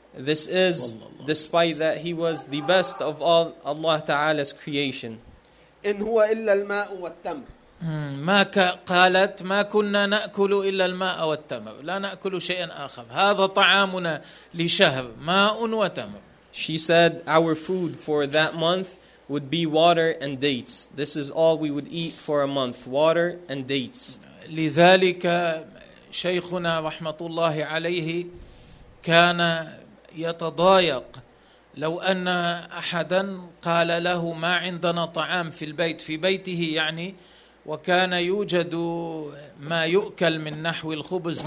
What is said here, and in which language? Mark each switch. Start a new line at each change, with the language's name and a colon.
English: This is despite that he was the best of all Allah Ta'ala's creation.
Arabic: إن هو إلا الماء والتمر. ما قالت ما كنا نأكل إلا الماء والتمر، لا نأكل شيئا آخر، هذا طعامنا لشهر، ماء وتمر.
English: She said, our food for that month would be water and dates. This is all we would eat for a month, water and dates.
Arabic: لذلك شيخنا رحمة الله عليه كان يتضايق لو أن أحدا قال له ما عندنا طعام في البيت، في بيته يعني، وكان يوجد ما يؤكل من نحو الخبز.